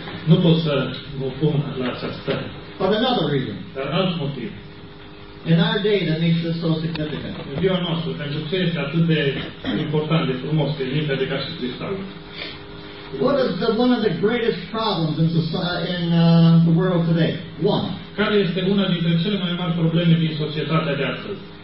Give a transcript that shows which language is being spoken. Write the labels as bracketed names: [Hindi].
[Romanian] Nu pot să mă pun la această. [English] But another reason. [Romanian] Dar alt motiv. [English] In our day, that makes this so significant. [Romanian] În ziua noastră, pentru ce este atât de important, de frumos, de limpede de ca și cristalul? [English] What is one of the greatest problems in the world today? One. [Romanian] Care este una dintre cele mai mari probleme din societatea de astăzi?